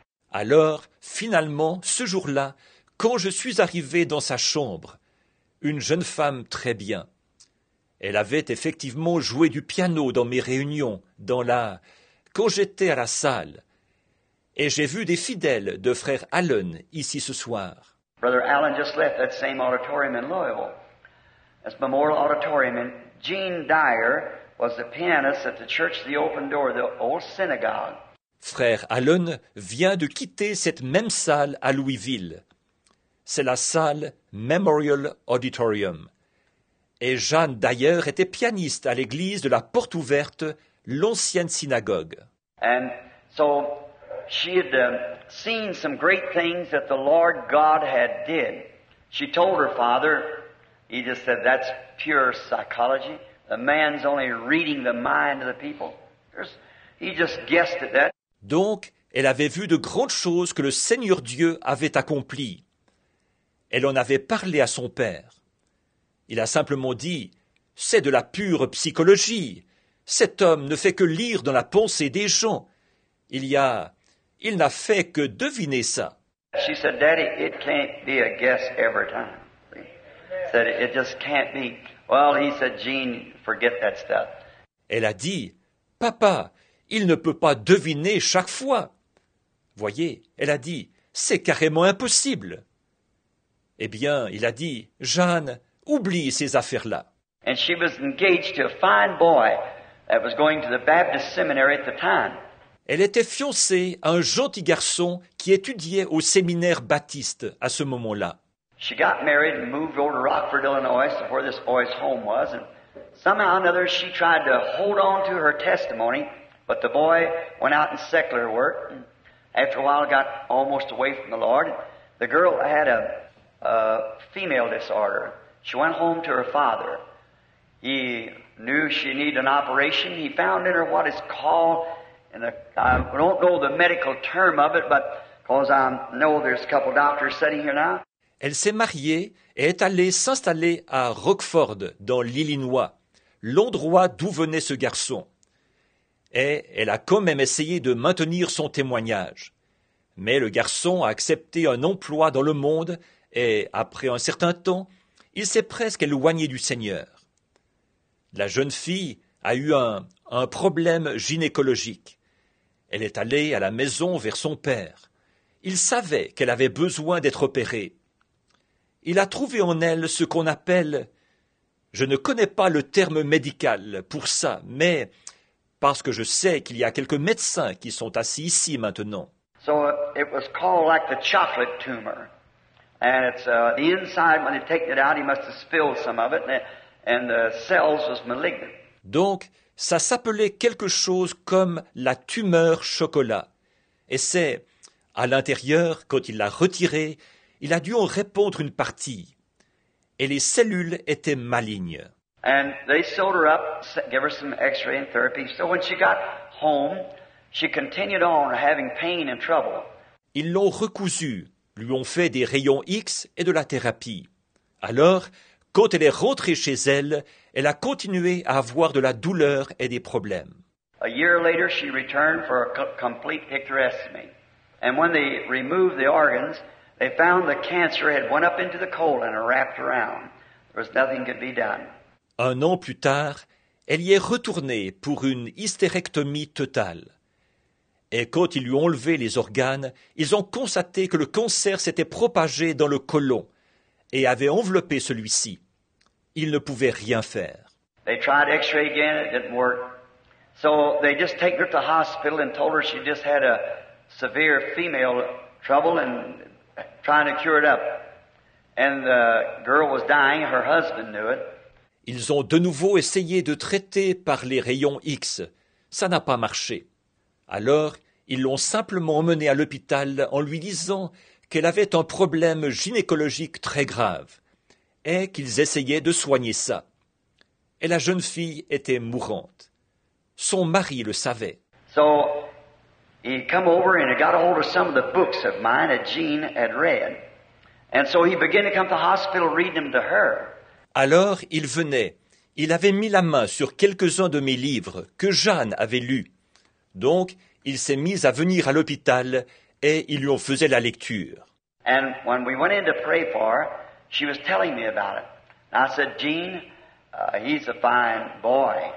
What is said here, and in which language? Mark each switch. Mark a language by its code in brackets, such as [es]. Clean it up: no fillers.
[fr] Alors, finalement, ce jour-là, quand je suis arrivé dans sa chambre, une jeune femme très bien. Elle avait effectivement joué du piano dans mes réunions, quand j'étais à la salle. Et j'ai vu des fidèles de frère Allen ici ce soir. [en] Brother Allen just left that same auditorium in Louisville. That's Memorial Auditorium. And Jean Dyer was the pianist at the Church of the Open Door, the old synagogue. [fr] Frère Allen vient de quitter cette même salle à Louisville. C'est la salle Memorial Auditorium. Et Jeanne Dyer était pianiste à l'église de la Porte Ouverte, l'ancienne synagogue. [en] And so she had seen some great things that the Lord God had did. She told her father, he just said, "That's pure psychology. The man's only reading the mind of the people." He just guessed at that. [fr] Donc, elle avait vu de grandes choses que le Seigneur Dieu avait accomplies. Elle en avait parlé à son père. Il a simplement dit, « C'est de la pure psychologie. Cet homme ne fait que lire dans la pensée des gens. Il n'a fait que deviner ça. » [en] She said, "Daddy, it can't be a guess every time." She said, "It just can't be." Well, he said, "Jean, forget that stuff." [fr] Elle a dit, « Papa, il ne peut pas deviner chaque fois. » Voyez, elle a dit, « C'est carrément impossible. » Eh bien, il a dit, « Jeanne, oublie ces affaires-là. » [en] And she was engaged to a fine boy that was going to the Baptist seminary at the time. [fr] Elle était fiancée à un gentil garçon qui étudiait au séminaire baptiste à ce moment-là. [en] She got married and moved over to Rockford, Illinois, where this boy's home was, and somehow or another she tried to hold on to her testimony. But the boy went out in secular work, and after a while got almost away from the Lord. The girl had a female disorder. She went home to her father. He knew she needed an operation. He found in her what is called, and I don't know the medical term of it, but because I know there's a couple doctors sitting here now. [fr] Elle s'est mariée et est allée s'installer à Rockford, dans l'Illinois, l'endroit d'où venait ce garçon. Et elle a quand même essayé de maintenir son témoignage. Mais le garçon a accepté un emploi dans le monde et, après un certain temps, il s'est presque éloigné du Seigneur. La jeune fille a eu un problème gynécologique. Elle est allée à la maison vers son père. Il savait qu'elle avait besoin d'être opérée. Il a trouvé en elle ce qu'on appelle, je ne connais pas le terme médical pour ça, mais parce que je sais qu'il y a quelques médecins qui sont assis ici maintenant. [en] So it was called like the chocolate tumor. And it's the inside, when they taken it out, he must have spilled some of it, and the cells was malignant. [fr] Donc, ça s'appelait quelque chose comme la tumeur chocolat. Et c'est, à l'intérieur, quand il l'a retirée, il a dû en répondre une partie. Et les cellules étaient malignes. [en] And they sewed her up, gave her some x-ray and therapy. So when she got home, she continued on having pain and trouble. [fr] Ils l'ont recousue, lui ont fait des rayons X et de la thérapie. Alors, quand elle est rentrée chez elle, elle a continué à avoir de la douleur et des problèmes. [en] A year later, she returned for a complete hysterectomy. And when they removed the organs, they found the cancer had went up into the colon and wrapped around. There was nothing could be done. [fr] Un an plus tard, elle y est retournée pour une hystérectomie totale. Et quand ils lui ont enlevé les organes, ils ont constaté que le cancer s'était propagé dans le côlon et avait enveloppé celui-ci. Ils ne pouvaient rien faire. [en] They tried x-ray again, it didn't work. So they just take her to the hospital and told her she just had a severe female trouble and trying to cure it up. And the girl was dying, her husband knew it. [fr] Ils ont de nouveau essayé de traiter par les rayons X. Ça n'a pas marché. Alors, ils l'ont simplement emmenée à l'hôpital en lui disant qu'elle avait un problème gynécologique très grave et qu'ils essayaient de soigner ça. Et la jeune fille était mourante. Son mari le savait. [en] So, he came over and he got a hold of some of the books of mine that Jean had read. And so he began to come to the hospital reading them to her. [fr] Alors, il venait. Il avait mis la main sur quelques-uns de mes livres que Jeanne avait lus. Donc, il s'est mis à venir à l'hôpital et il lui en faisait la lecture. [en] And when we went in to pray for her, she was telling me about it. And I said, Jean, he's a fine boy.